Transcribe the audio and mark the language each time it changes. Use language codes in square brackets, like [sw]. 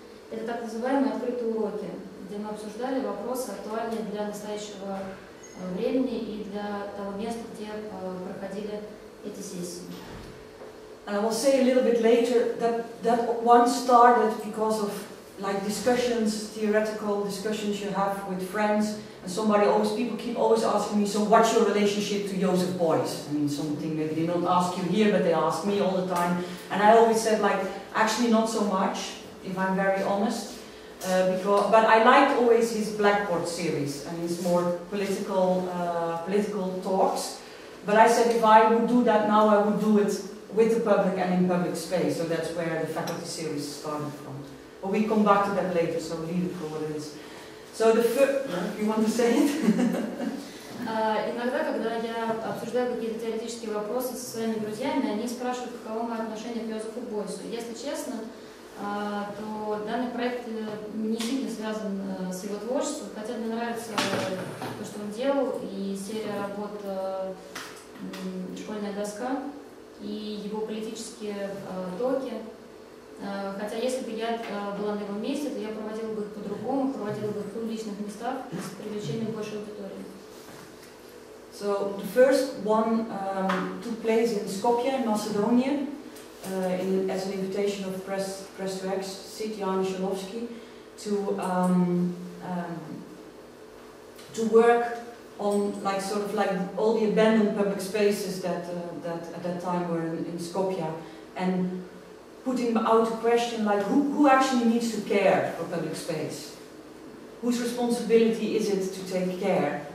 [ru] Это так называемые открытые уроки, где мы обсуждали вопросы, актуальные для настоящего времени и для того места, где проходили эти сессии. [en] And I will say a little bit later that one started because of like discussions, theoretical discussions you have with friends, and somebody always, people keep always asking me, so what's your relationship to Joseph Beuys? I mean, something maybe they don't ask you here, but they ask me all the time. And I always said, like, actually not so much, if I'm very honest, but I liked always his Blackboard series, and his more political talks. But I said, if I would do that now, I would do it with the public and in public space, so that's where the faculty series started from. But we come back to that later, so leave it for what it is. So the first, you want to say it? [ru] Иногда, когда я обсуждаю какие-то теоретические вопросы со своими друзьями, они спрашивают, каково мое отношение к Йозефу Бойсу. Если честно, то данный проект не сильно связан с его творчеством, хотя мне нравится то, что он делал, и серия работ «Школьная доска», и его политические токи. Хотя если бы я была на его месте, то я проводила бы их по-другому, проводила бы их в публичных местах с привлечением большей аудитории. [en] So the first one took place in Skopje, in Macedonia, as an invitation of Press to X, Sid Jan Shalovsky, to work on like sort of like all the abandoned public spaces that that at that time were in Skopje, and putting out a question like who actually needs to care for public space, whose responsibility is it to take care?